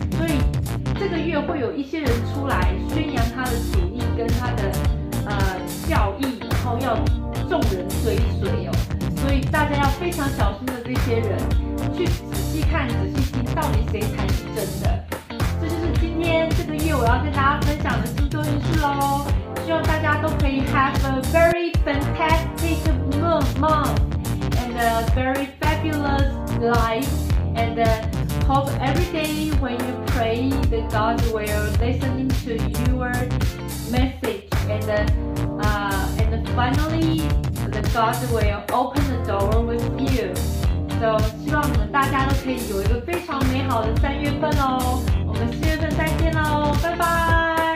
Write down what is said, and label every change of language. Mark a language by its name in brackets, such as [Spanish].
[Chinese] 所以这个月会有一些人出来宣扬他的主义跟他的教义，然后要众人追随哦。所以大家要非常小心的这些人，去仔细看仔细听到底谁才是真的。这就是今天这个月我要跟大家分享的星座运势咯，希望大家都可以 [English] have a very fantastic month and a very fabulous life and hope every day when you pray that God will listen to your message and finallyGod will open the door with you. [Chinese] So, 希望我们大家都可以有一个非常美好的三月份哦。我们四月份再见喽，拜拜。